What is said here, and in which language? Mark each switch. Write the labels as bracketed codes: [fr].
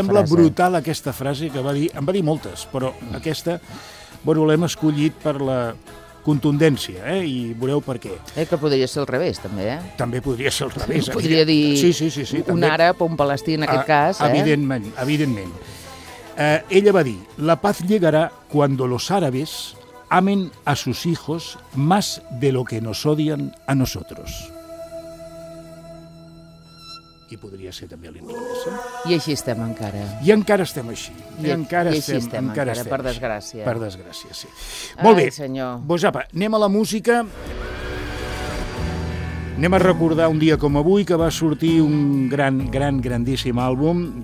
[ca] Em sembla brutal aquesta frase que va dir... En va dir moltes, però aquesta... Bueno, l'hem escollit per la contundència, eh? I veureu per què. Que podria ser al revés, també, eh? També podria ser al revés. Podria dir sí, un també. Àrab o un palestí, en aquest cas. Evidentment, eh? Evidentment. Ella va dir, [es] la paz llegará cuando los árabes amen a sus hijos más de lo que nos odian a nosotros. [ca] I podria ser també l'inglès. I així estem encara. I encara estem així. I així estem encara, per desgràcia. Per desgràcia, sí. Ai, molt bé. Ai, senyor. Doncs apa, anem a la música. Anem a recordar un dia com avui, que va sortir un gran, gran, grandíssim àlbum.